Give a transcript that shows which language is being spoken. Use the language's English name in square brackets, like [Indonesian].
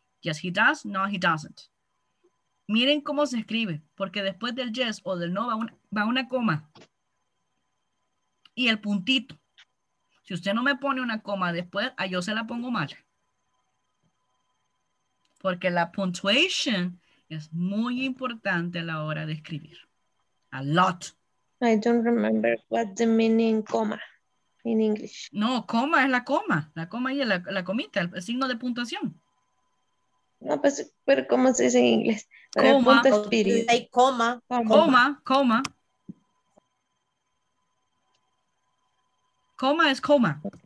[English] Yes, he does, no, he doesn't. [Spanish] Miren cómo se escribe, porque después del yes o del no va una coma. Y el puntito. Si usted no me pone una coma después, yo se la pongo mal. Porque la punctuation es muy importante a la hora de escribir. [English] A lot. I don't remember what the meaning coma in English. [Spanish] No, coma es la coma. La coma y la comita, el signo de puntuación. No, pues, pero ¿cómo se dice en inglés? Coma. Coma. Coma, coma. Coma es coma.